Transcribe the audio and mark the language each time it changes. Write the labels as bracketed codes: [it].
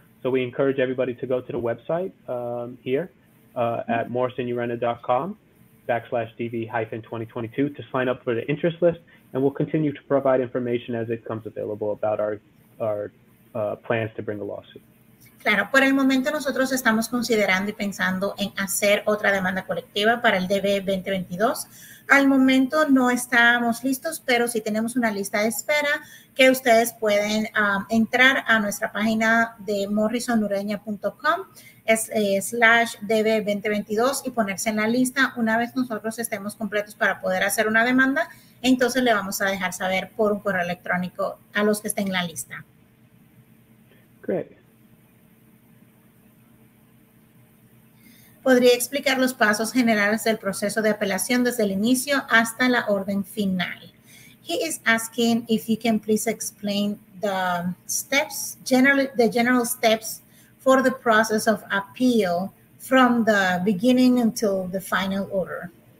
[en] So we encourage everybody to go to the website here at morrisonurena.com/DV-2022 to sign up for the interest list, and we'll continue to provide information as it comes available about our plans to bring a lawsuit. [es] Claro, por el momento nosotros estamos considerando y pensando en hacer otra demanda colectiva para el DV 2022. Al momento no estamos listos, pero sí tenemos una lista de espera que ustedes pueden entrar a nuestra página de morrisonureña.com slash DV 2022 y ponerse en la lista. Una vez nosotros estemos completos para poder hacer una demanda, entonces le vamos a dejar saber por un correo electrónico a los que estén en la lista. [en] Great. [es] ¿Podría explicar los pasos generales del proceso de apelación desde el inicio hasta la orden final? [en] He is asking if you can please explain the general steps for the process of appeal from the beginning until the final order.